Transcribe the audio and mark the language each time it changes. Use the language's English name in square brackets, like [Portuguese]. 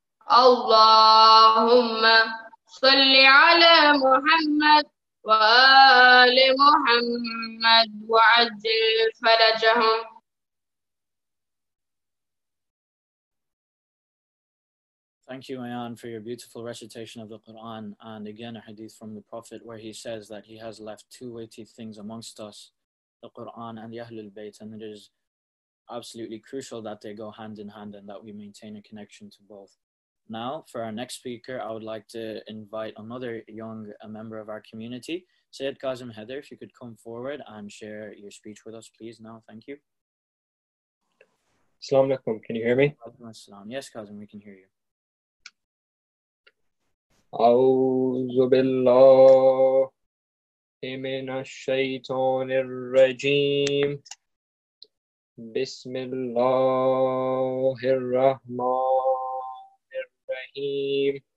[Arabic] اللهم صل على محمد وآل محمد وعجل فرجهم. [English] Thank you, Ayan, for your beautiful recitation of the Quran, and again a hadith from the Prophet where he says that he has left two weighty things amongst us, the Quran and the Ahlul Bayt, and it is absolutely crucial that they go hand in hand and that we maintain a connection to both. Now, for our next speaker, I would like to invite another young member of our community, Sayyid Kazim Heather, if you could come forward and share your speech with us, please, now. Thank you. Assalamu alaikum. Can you hear me? Yes, Kazim, we can hear you. [Arabic] أعوذ بالله من الشيطان الرجيم بسم الله الرحمن الرحيم